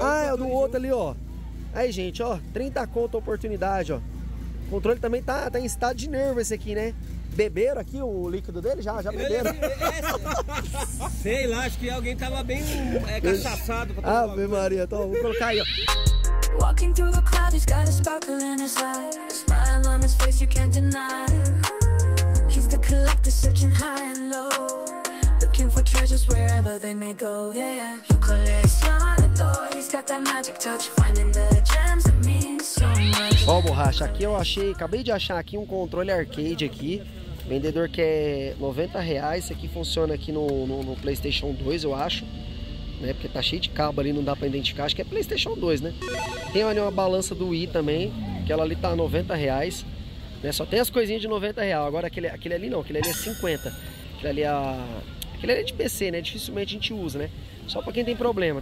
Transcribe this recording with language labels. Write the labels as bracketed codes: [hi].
[pt] ah, é o do outro ali, ó. Aí, gente, ó, 30 conto a oportunidade, ó. O controle também tá em estado de nervo esse aqui, né? Beberam aqui o líquido dele? Já beberam? Sei lá, acho que alguém tava bem cachaçado. Pra tomar. Ave Maria, então vou colocar aí, ó. [en] Walking through the clouds, he's got a sparkle in his eyes. Smile on his face, you can't deny. He's the collector searching high and low. Looking for treasures wherever they may go. Yeah, you colecionador, he's got that magic touch. Finding the gems that mean so much. [pt] Ó, borracha, aqui eu achei, acabei de achar aqui um controle arcade aqui, vendedor que é R$90, esse aqui funciona aqui no PlayStation 2, eu acho, né, porque tá cheio de cabo ali, não dá pra identificar, acho que é PlayStation 2, né. Tem ali uma balança do Wii também, aquela ali tá R$90, né, só tem as coisinhas de R$90, agora aquele ali não, aquele ali é 50, aquele ali é de PC, né, dificilmente a gente usa, né, só pra quem tem problema.